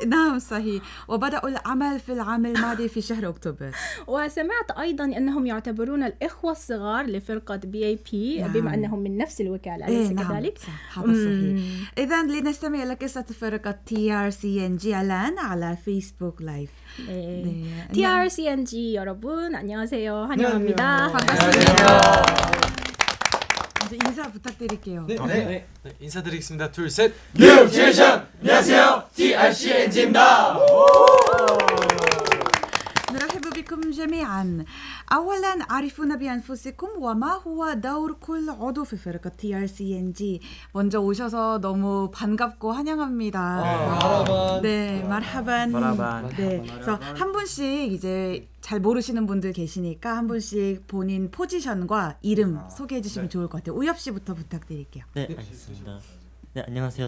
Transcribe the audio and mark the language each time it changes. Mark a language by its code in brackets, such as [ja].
[ar] نعم صحيح، وبدأوا العمل في العام الماضي في شهر أكتوبر. وسمعت أيضا أنهم يعتبرون الإخوة الصغار لفرقة بي اي بي. نعم. بما أنهم من نفس الوكالة. نعم كذلك؟ صحيح. إذن لنستمع لقصة فرقة TRCNG الآن على فيسبوك لايف. [ko] TRCNG 여러분 안녕하세요. 환영합니다. 반갑습니다. 인사 부탁드릴게요. 네. 인사드리겠습니다. 둘, 셋. 뉴트리션. 안녕하세요. TRCNG입니다. [ar] نرحب بكم جميعا. اولا عرفونا بانفسكم وما هو دور كل عضو في فرقه TRCNG. [ko] 먼저 오셔서 너무 반갑고 환영합니다. 네, 마라반. 네. 그래서 한 분씩 이제 잘 모르시는 분들 계시니까 한 분씩 본인 포지션과 이름 소개해 주시면 좋을 것 같아요. 우엽 씨부터 부탁드릴게요. 네, 알겠습니다. 네, 안녕하세요.